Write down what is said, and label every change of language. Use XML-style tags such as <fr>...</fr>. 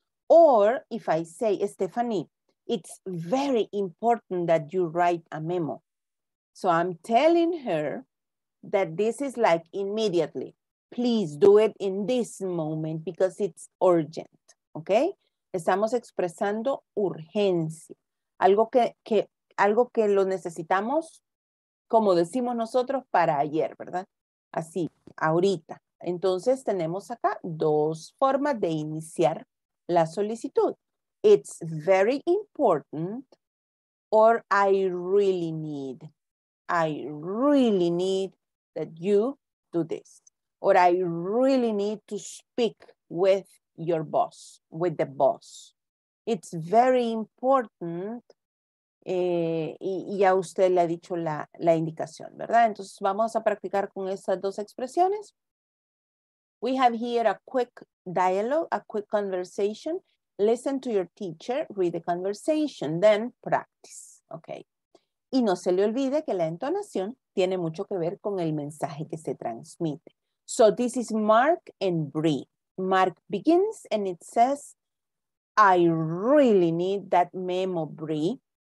<en>Or if I say, Stephanie, it's very important that you write a memo. So I'm telling her that this is like immediately. Please do it in this moment because it's urgent, okay?</en> <es>Estamos expresando urgencia. Algo que lo necesitamos, como decimos nosotros, para ayer, ¿verdad? Así, ahorita. Entonces tenemos acá dos formas de iniciar la solicitud.</es> <en>It's very important, or I really need that you do this, or I really need to speak with your boss, with the boss. It's very important,</en> <es>y ya usted le ha dicho la indicación, ¿verdad? Entonces vamos a practicar con estas dos expresiones.</es> <en>We have here a quick dialogue, a quick conversation. Listen to your teacher, read the conversation, then practice, okay?</en> <es>Y no se le olvide que la entonación tiene mucho que ver con el mensaje que se transmite.</es> <en>So this is Mark and Bree. Mark begins and it says, I really need that memo, Bree.</en>